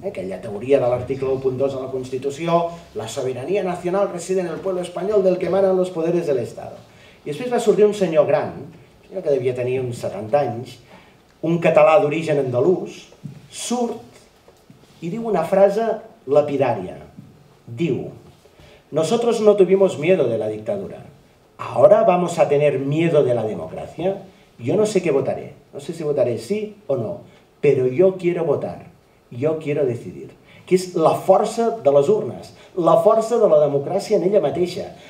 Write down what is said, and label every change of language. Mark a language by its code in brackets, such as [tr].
[ca] Aquella teoria de l'article 1.2 de la Constitució, [es] la soberanía nacional reside en el pueblo español del que emanan los poderes del Estado. [ca] I després va sortir un senyor gran, que devia tenir uns 70 anys, un català d'origen andalús, surt i diu una frase lapidària. [es] Diu, nosotros no tuvimos miedo de la dictadura, ahora vamos a tener miedo de la democracia, yo no sé qué votaré, no sé si votaré sí o no, pero yo quiero votar, yo quiero decidir. [ca] Que és la força de les urnes, la força de la democràcia en ella mateixa.